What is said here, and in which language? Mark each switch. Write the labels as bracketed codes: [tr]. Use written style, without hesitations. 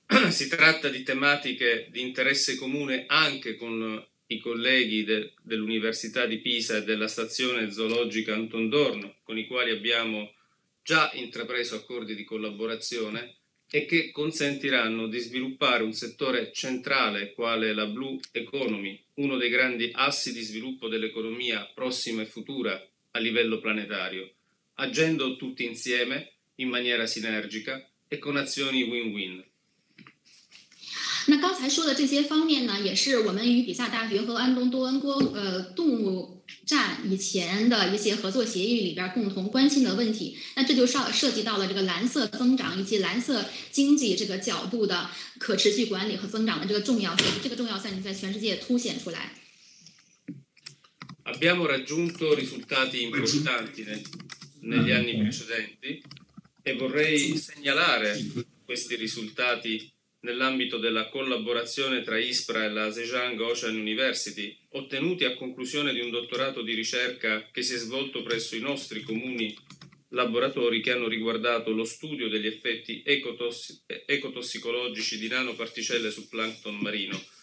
[it] Si tratta di interesse comune anche con i colleghi dell'Università di Pisa e della Stazione Zoologica Anton Dorno, con i quali abbiamo già intrapreso accordi di collaborazione e che consentiranno di sviluppare un settore centrale quale la Blue Economy, uno dei grandi assi di sviluppo dell'economia prossima e futura a livello planetario, agendo tutti insieme in maniera sinergica e con azioni win-win. [zh] 那刚才说的这些方面呢，也是我们与比萨大学和安东多恩多动物站以前的一些合作协议里边共同关心的问题。那这就涉及到了这个蓝色增长以及蓝色经济这个角度的可持续管理和增长的这个重要性。这个重要性在全世界凸显出来。 [it] Abbiamo raggiunto risultati importanti negli anni precedenti e vorrei segnalare questi risultati nell'ambito della collaborazione tra ISPRA e la Zhejiang Ocean University, ottenuti a conclusione di un dottorato di ricerca che si è svolto presso i nostri comuni laboratori, che hanno riguardato lo studio degli effetti ecotossicologici di nanoparticelle sul plancton marino.